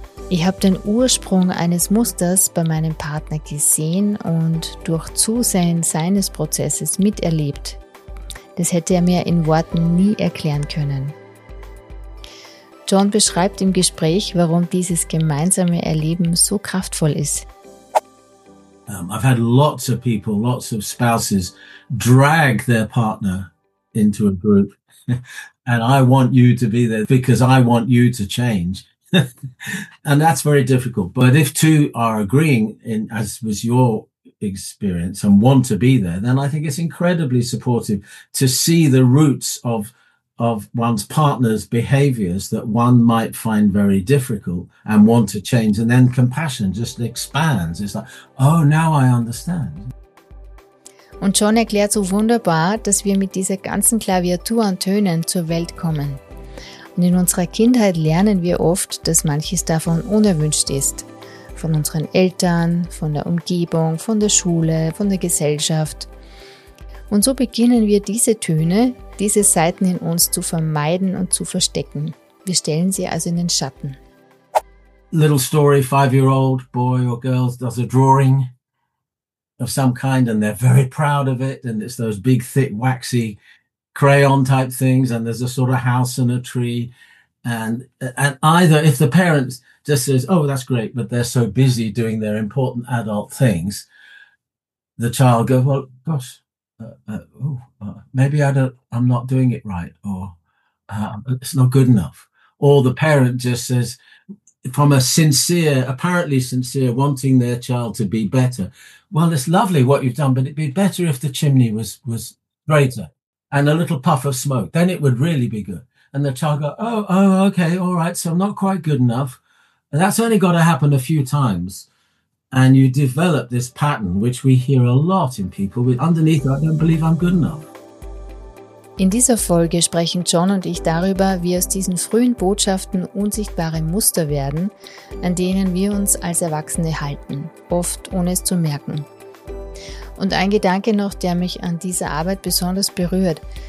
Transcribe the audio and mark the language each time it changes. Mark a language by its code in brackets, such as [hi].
[de] Ich habe den Ursprung eines Musters bei meinem Partner gesehen und durch Zusehen seines Prozesses miterlebt. Das hätte er mir in Worten nie erklären können. John beschreibt im Gespräch, warum dieses gemeinsame Erleben so kraftvoll ist. [en] I've had lots of people, lots of spouses drag their partner into a group. And I want you to be there because I want you to change. And that's very difficult. But if two are agreeing, in, as was your experience, and want to be there, then I think it's incredibly supportive to see the roots of one's partner's behaviors that one might find very difficult and want to change. And then compassion just expands. It's like, oh, now I understand. [de] Und John erklärt so wunderbar, dass wir mit dieser ganzen Klaviatur an Tönen zur Welt kommen. Und in unserer Kindheit lernen wir oft, dass manches davon unerwünscht ist. Von unseren Eltern, von der Umgebung, von der Schule, von der Gesellschaft. Und so beginnen wir diese Töne, diese Seiten in uns zu vermeiden und zu verstecken. Wir stellen sie also in den Schatten. [en] Little story, 5-year-old boy or girl does a drawing of some kind and they're very proud of it and it's those big, thick, waxy crayon type things and there's a sort of house and a tree and either if the parents just says, oh, that's great, but they're so busy doing their important adult things, the child goes, well, gosh, I'm not doing it right or it's not good enough. Or the parent just says, from a sincere, apparently sincere, wanting their child to be better, well, it's lovely what you've done, but it'd be better if the chimney was greater. And a little puff of smoke, then it would really be good. And the child goes, oh, okay, all right, so I'm not quite good enough. And that's only got to happen a few times. And you develop this pattern, which we hear a lot in people, with underneath, I don't believe I'm good enough. [de] In dieser Folge sprechen John und ich darüber, wie aus diesen frühen Botschaften unsichtbare Muster werden, an denen wir uns als Erwachsene halten, oft ohne es zu merken. Und ein Gedanke noch, der mich an dieser Arbeit besonders berührt.